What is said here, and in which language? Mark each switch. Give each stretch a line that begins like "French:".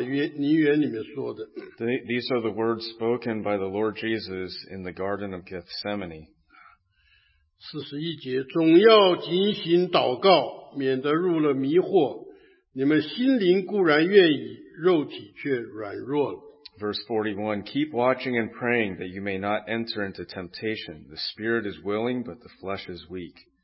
English: These are the words spoken by the Lord Jesus in the Garden of Gethsemane.
Chinese: 41节, 总要警醒祷告, 免得入了迷惑, 你们心灵固然愿意, 肉体却软弱了。
English: Verse 41, keep watching and praying that you may not enter into temptation. The spirit is willing, but the flesh is weak.